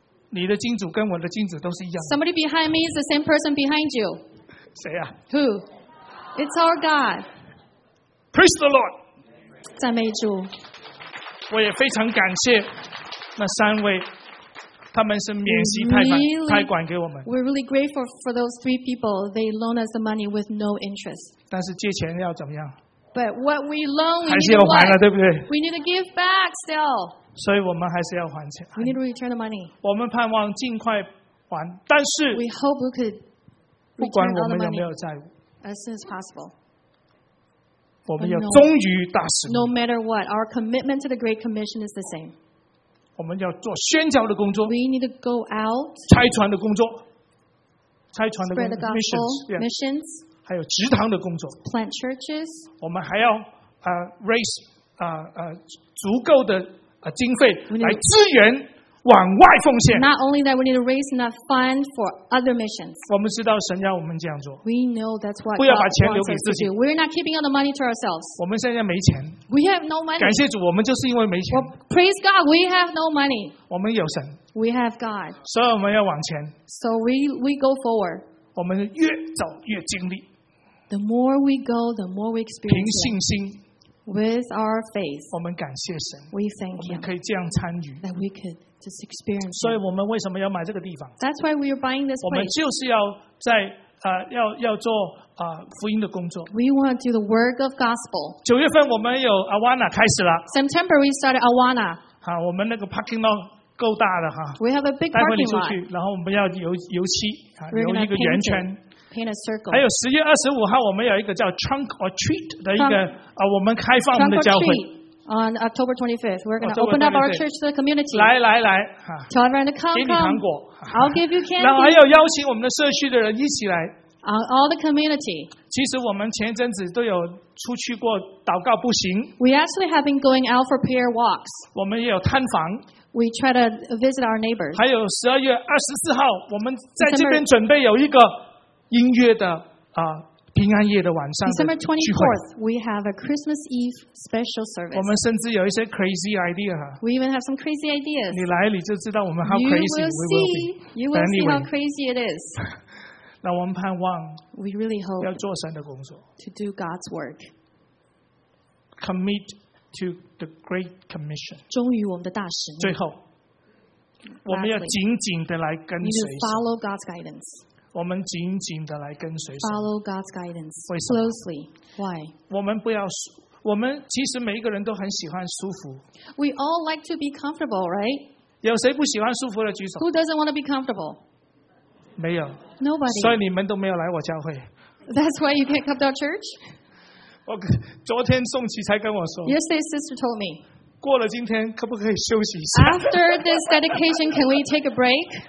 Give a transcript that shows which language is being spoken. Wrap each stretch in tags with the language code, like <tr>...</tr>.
<zh>你的金主跟我的金主都是一样。</zh> <en>Somebody behind me is the same person behind you.</en> <zh>谁啊</zh> <en>？Who? It's our God. Praise the Lord.</en> <zh>赞美主。我也非常感谢那三位。他们是免息贷款给我们。</zh> <en>We're really grateful for those three people. They loan us the money with no interest.</en> <zh>但是借钱要怎么样</zh> <en>？But what we loan, we</en> <zh>还是要还了，对不对</zh> <en>？We need to give back still.</en> <zh>所以我们还是要还钱。</zh> <en>We need to return the money.</en> <zh>我们盼望尽快还，但是</zh> <en>We hope we could return</en> <zh>不管我们有没有债务</zh> <en>as soon as possible.</en> <zh>我们要忠于大使命。</zh> <en>No matter what, our commitment to the Great Commission is the same.</en> <zh>我们要做宣教的工作</zh> <en>，We need to go out，</en> <zh>拆船的工作，拆船的</zh> <en>spread the gospel, missions，</en> <zh>还有职堂的工作</zh> <en>，plant churches，</en> <zh>我们还要</zh> <en>raise</en> <zh>足够的经费来支援往外奉献。</zh> <en>Not only that, we need to raise enough funds for other missions。</en> <zh>我们知道神要我们这样做</zh> <en>，We know that's what</en> <zh>不要把钱留给自己</zh> <en>，We're not keeping all the money to ourselves。</en> <zh>我们现在没钱。</zh> <en>We have no money.</en> <zh>感谢主，我们就是因为没钱。</zh> <en>Praise God, we have no money.</en> <zh>我们有神。</zh> <en>We have God.</en> <zh>所以我们要往前。</zh> <en>So we go forward.</en> <zh>我们越走越经历。</zh> <en>The more we go, the more we experience.</en> <zh>凭信心。</zh> <en>with our faith,</en> <zh>我们感谢神,</zh> <en>we thank him,</en> <zh>我们可以这样参与,</zh> <en>that we could just experience it.</en> <zh>所以我们为什么要买这个地方?</zh> <en>That's why we are buying this place.</en> <zh>我们就是要在, 要做, 福音的工作。</zh> <en>We want to do the work of gospel.</en> <zh>九月份我们有 Awana 开始了。</zh> <en>September we started Awana.</en> <zh>好，我们那个 parking lot够大的哈。</zh> <en>We have a big parking lot.</en> <zh>待会你出去，然后我们要油漆，留一个圆圈。</zh> <en>Paint a circle.</en> <zh>还有十月二十五号，我们有一个叫 Trunk or Treat 的一个啊，我们开放我们的教会。</zh> <en>On October 25th, we're going to open up our church to the community.</en> <zh>来来来，</zh> <en>啊 ，Tell everyone to come.</en> <zh>给你糖果。</zh> <en>I'll give you candy.</en> <zh>然后还有邀请我们的社区的人一起来。</zh> <en>On all the community.</en> <zh>其实我们前阵子都有出去过祷告步行。</zh> <en>We actually have been going out for prayer walks.</en> <zh>我们也有探访。</zh> <en>We try to visit our neighbors.</en> <zh>还有十二月二十四号，我们在这边准备有一个音乐的啊。平安夜的晚上的聚会</zh> <en>，December 24th, we have a Christmas Eve special service.</en> <zh>我们甚至有一些</zh> <en>crazy idea. We even have some crazy ideas.</en> <zh>你来你就知道我们</zh> <en>how crazy we will be. You will see how crazy it is.</en> <zh>那我们盼望</zh> <en>，we really hope</en> <zh>要做神的工作</zh> <en>，to do God's work. Commit to the Great Commission.</en> <zh>忠于我们的大使命。最后，我们要紧紧的来跟随。</zh> <en>You need to follow God's guidance.</en> <zh>我们紧紧的来跟随神。</zh> <en>Follow God's guidance closely. Why?</en> <zh>我们不要，我们其实每一个人都很喜欢舒服。</zh> <en>We all like to be comfortable, right?</en> <zh>有谁不喜欢舒服的举手</zh> <en>？Who doesn't want to be comfortable?</en> <zh>没有。</zh> <en>Nobody.</en> <zh>所以你们都没有来我教会。</zh> <en>That's why you can't come to our church.</en> <zh>我昨天宋琪才跟我说。</zh> <en>Yesterday, sister told me.</en> <zh>过了今天，可不可以休息一下</zh> <en>？After this dedication, can we take a break?</en>